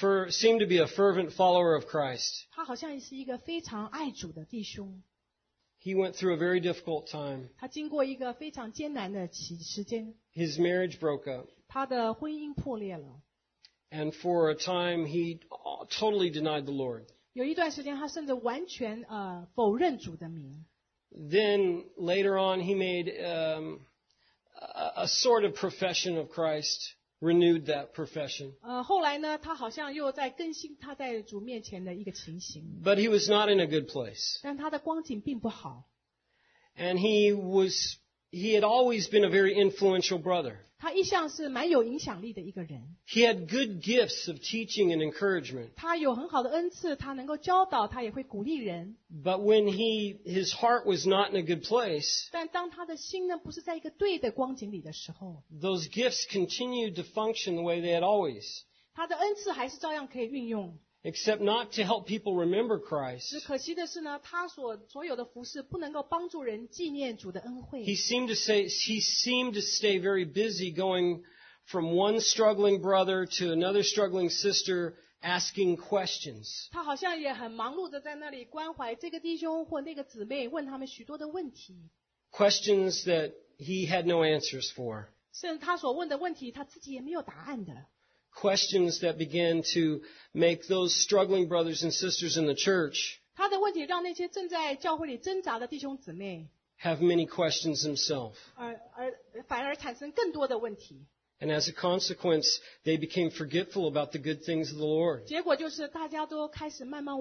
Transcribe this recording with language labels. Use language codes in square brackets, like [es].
[en] Seemed to be a fervent follower of Christ. [zh] 他好像是一个非常爱主的弟兄。 [en] He went through a very difficult time. [zh] 他经过一个非常艰难的时间。 [en] His marriage broke up. [zh] 他的婚姻破裂了。 [en] And for a time, he totally denied the Lord. [zh] 有一段时间，他甚至完全否认主的名。 [en] Then later on, he made a sort of profession of Christ. Renewed that profession. [zh] 后来呢，他好像又在更新他在主面前的一个情形。 [en] But he was not in a good place. [zh] 但他的光景并不好。 [en] And he had always been a very influential brother. [zh] 他一向是蛮有影响力的一个人。 [en] He had good gifts of teaching and encouragement. [zh] 他有很好的恩赐，他能够教导，他也会鼓励人。 [en] But when his heart was not in a good place, [zh] 但当他的心呢，不是在一个对的光景里的时候， [en] those gifts continued to function the way they had always. [zh] 他的恩赐还是照样可以运用。 [en] Except not to help people remember Christ. [zh] 可惜的是呢，他所有的服事不能够帮助人纪念主的恩惠。 [en] He seemed to stay very busy going from one struggling brother to another struggling sister asking questions. [zh] 他好像也很忙碌的在那里关怀这个弟兄或那个姊妹，问他们许多的问题。 [en] Questions that he had no answers for. [zh] 甚至他所问的问题，他自己也没有答案的。 [en] Questions that began to make those struggling brothers and sisters in the church have many questions themselves. And as a consequence, they became forgetful about the good things of the Lord.